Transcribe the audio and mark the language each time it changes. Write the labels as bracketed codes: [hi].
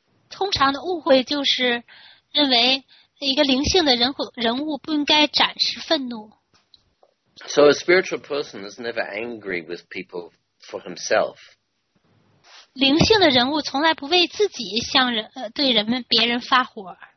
[zh] 通常的误会就是认为一个灵性的人物不应该展示愤怒。 [en] So a spiritual person is never angry with people for himself. [zh] 灵性的人物从来不为自己向人对人们别人发火。